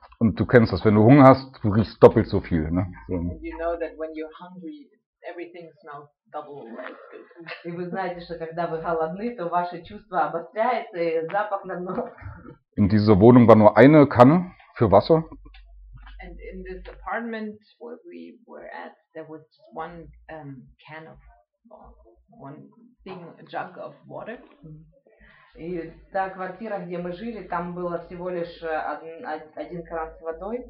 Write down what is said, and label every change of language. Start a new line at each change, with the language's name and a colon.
German: Und du kennst das, wenn du Hunger hast, du riechst doppelt so viel, ne? So.
English: You know that when you're hungry, everything smells double as good.
Russian: И вы знаете, что когда вы голодны, то ваши чувства обостряются, и запах намного.
German: In dieser Wohnung war nur eine Kanne für Wasser.
English: And in this apartment where we were at, there was just one can of one thing, a jug of water.
Russian: И та квартира, где мы жили, там было всего лишь один кран с водой.